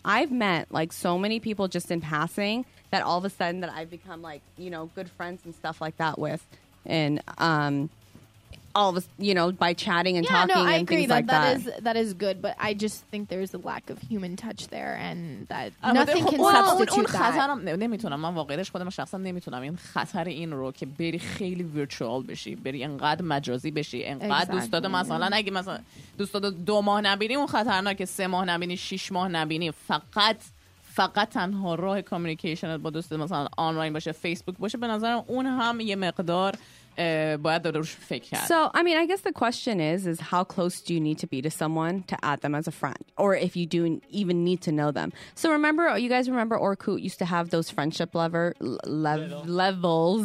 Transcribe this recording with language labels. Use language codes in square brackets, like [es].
[en] I've met like so many people just in passing that all of a sudden that I've become like, you know, good friends and stuff like that with. And all of us, you know, by chatting and talking and things like that. That is good. But I just think there is a lack of human touch there and that nothing can substitute that. [fa] نمیتونم. من واقعیش خودم شخصا نمیتونم این خطر این رو که بری خیلی ویرچوال بشی. بری انقدر مجازی بشی. انقدر دوستات مثلا اگه مثلا دوستات دو ماه نبینی اون خطرناکه. سه ماه نبینی، شش ماه نبینی. فقط تنها راه کامیونیکیشن با دوست مثلا آنلاین باشه، فیسبوک باشه، به نظرم اون هم یه مقدار باید روش فکر کرد. [en] So, I mean, I guess the question is how close do you need to be to someone to add them as a friend? Or if you do even need to know them. So remember, you guys remember Orkut used to have those friendship levels.